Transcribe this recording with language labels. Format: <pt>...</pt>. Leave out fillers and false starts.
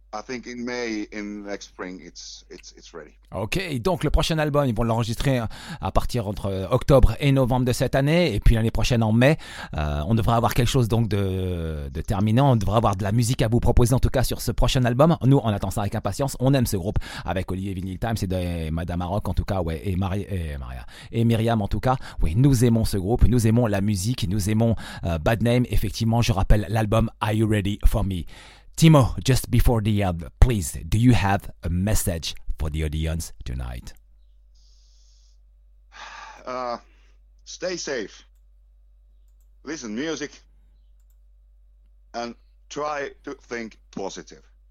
<en>I think in May, in next spring, it's ready.</en> <fr>Okay, donc le prochain album, ils vont l'enregistrer à partir entre octobre et novembre de cette année, et puis l'année prochaine en mai, on devrait avoir quelque chose donc de terminé. On devrait avoir de la musique à vous proposer en tout cas sur ce prochain album. Nous, on attend ça avec impatience. On aime ce groupe avec Olivier Vinyl Times et Madame Maroc en tout cas, ouais, et Myriam en tout cas. Oui, nous aimons ce groupe, nous aimons la musique, nous aimons Bad Name. Effectivement, je rappelle l'album Are You Ready For Me.</fr> <en>Timo, just before the end, please, do you have a message for the audience tonight? Stay safe. Listen to music. And try to think positive.</en>